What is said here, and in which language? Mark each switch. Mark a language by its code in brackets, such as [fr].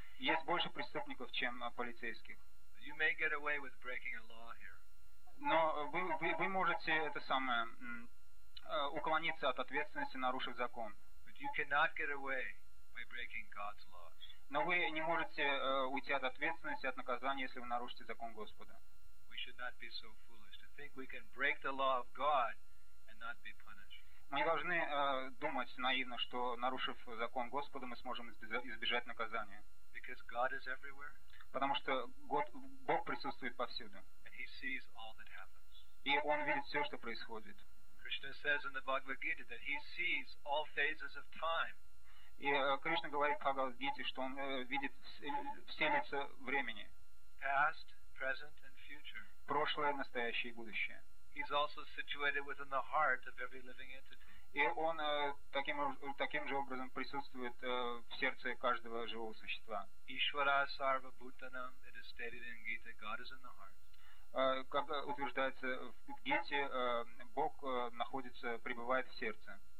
[ru] Есть больше преступников, чем полицейских. [en] You may get away with breaking a law here. [ru] Но вы можете это самое уклониться от ответственности, нарушив закон. [en] But you cannot get away by breaking God's laws. [ru] Но вы не можете уйти от ответственности, от наказания, если вы нарушите закон Господа. [en] We should not be so foolish. Think we can break the law of God and not be punished. [ru] Мы должны думать наивно, что нарушив закон Господа, мы сможем избежать наказания. [en] Because God is everywhere. [ru] Потому что Бог присутствует повсюду. [en] And He sees all that happens. [ru] И Он видит все, что происходит. [en] Krishna says in the Bhagavad Gita that He sees all phases of time. [ru] И Кришна говорит в Бхагавад Гите, что Он видит все лица времени. [en] Past, present, and future. [ru] прошлое, настоящее и будущее. [en] He's also situated within the heart of every living entity. [ru] И он таким же образом присутствует в сердце каждого живого существа. [sa] Ishvara sarva bhutanam, [en] it is stated in Gita, God is in the heart. [ru] Как утверждается в Гите, Бог находится, пребывает в сердце.